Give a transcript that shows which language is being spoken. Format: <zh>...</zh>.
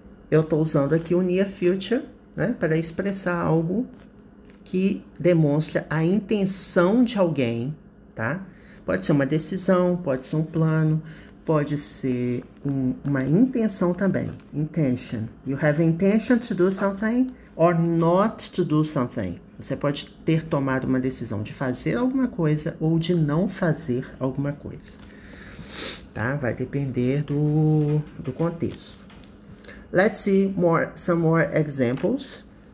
<pt>Eu estou usando aqui o near future, né, para expressar algo que demonstra a intenção de alguém, tá? Pode ser uma decisão, pode ser um plano, pode ser uma intenção também.</pt> <en>Intention. You have intention to do something or not to do something.</en> <pt>Você pode ter tomado uma decisão de fazer alguma coisa ou de não fazer alguma coisa, tá? Vai depender do contexto.</pt> <en>Let's see some more examples.</en>